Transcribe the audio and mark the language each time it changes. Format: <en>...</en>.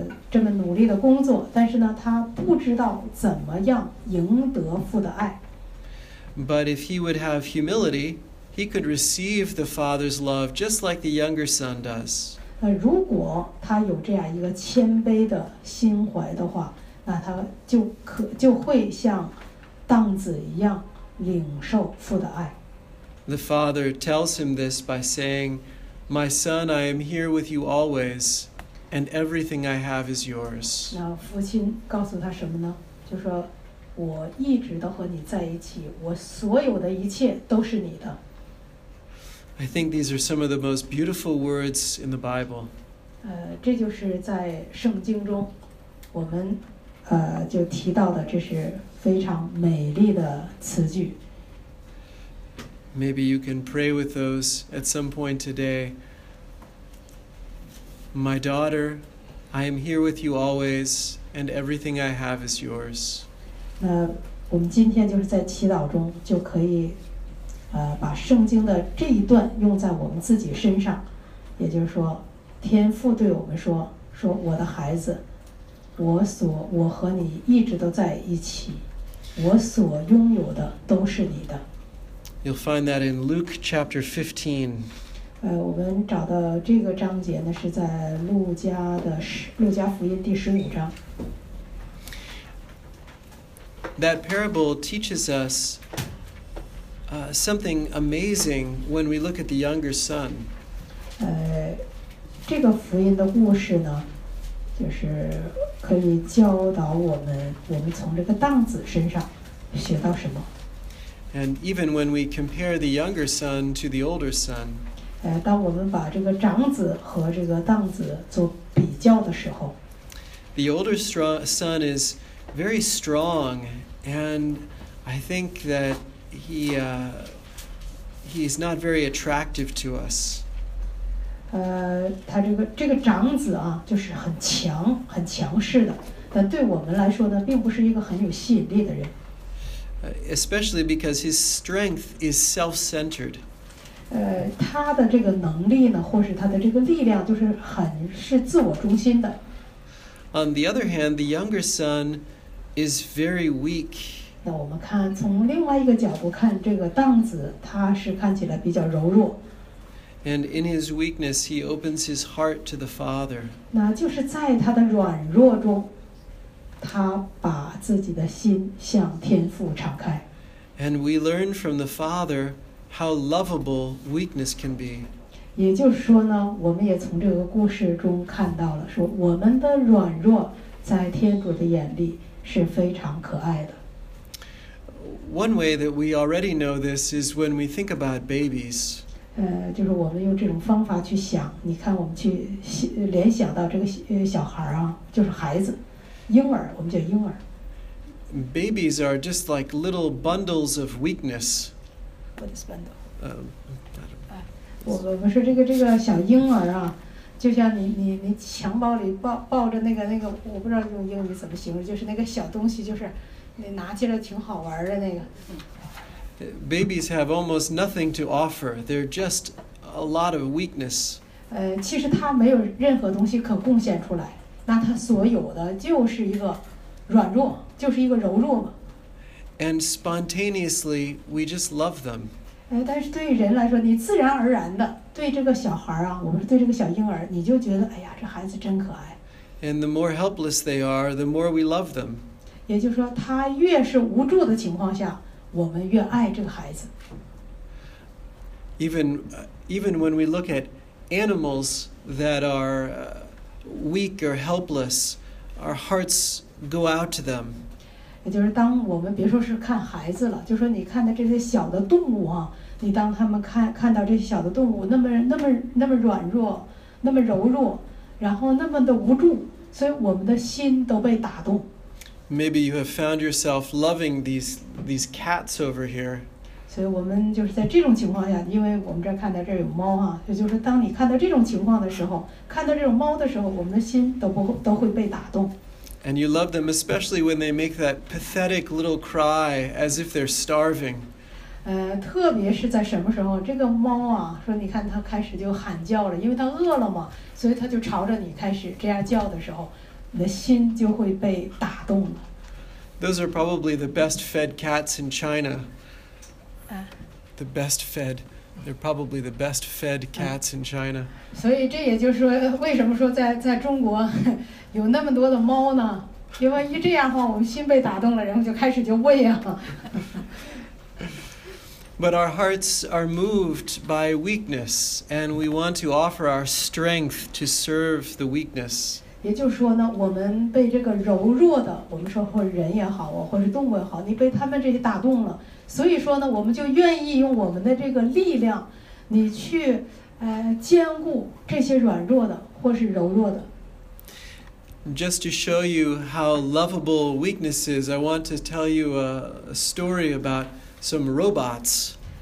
<zh>这么努力的工作，但是呢，他不知道怎么样赢得父的爱。</zh> <en>But if he would have humility, he could receive the father's love just like the younger son does.</en> <zh>如果他有这样一个谦卑的心怀的话，那他就会像当子一样领受父的爱。</zh> <en>The father tells him this by saying, "My son, I am here with you always, and everything I have is yours."</en> <zh>那父亲告诉他什么呢？就说我一直都和你在一起，我所有的一切都是你的。</zh> <en>I think these are some of the most beautiful words in the Bible.</en> <zh>这就是在圣经中我们就提到的，这是非常美丽的词句。</zh> <en>Maybe you can pray with those at some point today. My daughter, I am here with you always, and everything I have is yours.</en> <zh>那我们今天就是在祈祷中就可以把圣经的这一段用在我们自己身上，也就是说天父对我们说我的孩子，我和你一直都在一起，我所拥有的都是你的。</zh> <en>You'll find that in Luke chapter 15.</en> <zh>我们找到这个章节呢，是在路加福音第十五章。</zh> <en>That parable teaches us something amazing when we look at the younger son.</en> <zh>这个福音的故事呢，就是可以教导我们，我们从这个当子身上学到什么。</zh> <en>And even when we compare the younger son to the older son,</en> <zh>当我们把这个长子和这个当子做比较的时候，</zh> <en>the older son is very strong, and I think that he is not very attractive to us.</en> <zh>他这个长子啊，就是很强，很强势的，但对我们来说呢，并不是一个很有吸引力的人。</zh> <en>Especially because his strength is self-centered.</en> <zh>他的这个能力呢，或是他的这个力量，就是很是自我中心的。</zh> <en>On the other hand, the younger son is very weak.</en> <zh>那我们看，从另外一个角度看，这个当子他是看起来比较柔弱。</zh> <en>And in his weakness, he opens his heart to the father.</en> <zh>那就是在他的软弱中，他把自己的心向天父敞开。</zh> <en>And we learn from the Father how lovable weakness can be.</en> <zh>也就是说呢，我们也从这个故事中看到了，说我们的软弱在天主的眼里是非常可爱的。</zh> <en>One way that we already know this is when we think about babies.</en> <zh>就是我们用这种方法去想，你看我们去联想到这个小孩啊，就是孩子。婴儿，我们叫婴儿。</zh> <en>Babies are just like little bundles of weakness. What is bundle?</en> <zh>我们说这个小婴儿啊，就像你襁褓里抱着那个，我不知道用英语怎么形容，就是那个小东西，就是你拿起来挺好玩的那个。</zh> <en>Babies have almost nothing to offer. They're just a lot of weakness.</en> <zh>其实他没有任何东西可贡献出来。那他所有的就是一个软弱，就是一个柔弱嘛。</zh> <en>And spontaneously, we just love them.</en> <zh>但是对于人来说，你自然而然的对这个小孩啊，我们对这个小婴儿，你就觉得哎呀，这孩子真可爱。</zh> <en>And the more helpless they are, the more we love them.</en> <zh>也就是说，他越是无助的情况下，我们越爱这个孩子。</zh> <en>Even when we look at animals that are weak or helpless, our hearts go out to them.</en> <zh>也就是当我们别说是看孩子了，就说你看到这些小的动物啊，你当他们看到这些小的动物那么软弱，那么柔弱，然后那么的无助，所以我们的心都被打动。</zh> <en>Maybe you have found yourself loving these cats over here.</en> <zh>所以我们就是在这种情况下，因为我们这看到这有猫啊，也就是当你看到这种情况的时候，看到这种猫的时候，我们的心都会被打动。</zh> <en>And you love them especially when they make that pathetic little cry as if they're starving.</en> <zh>特别是在什么时候，这个猫啊，说你看它开始就喊叫了，因为它饿了嘛，所以它就朝着你开始这样叫的时候，你的心就会被打动了。</zh> <en>Those are probably the best fed cats in China. The best fed. They're probably the best fed cats in China.</en> <zh>所以这也就是说，为什么说在中国有那么多的猫呢？因为一这样的话，我们心被打动了，然后就开始就喂啊。</zh> <en>But our hearts are moved by weakness, and we want to offer our strength to serve the weakness.</en> <zh>也就是说呢，我们被这个柔弱的，我们说或人也好啊，或是动物也好，你被他们这些打动了，所以说呢，我们就愿意用我们的这个力量，你去兼顾这些软弱的或是柔弱的。</zh> <en>Just to show you how lovable weakness is, I want to tell you a story about some robots.</en>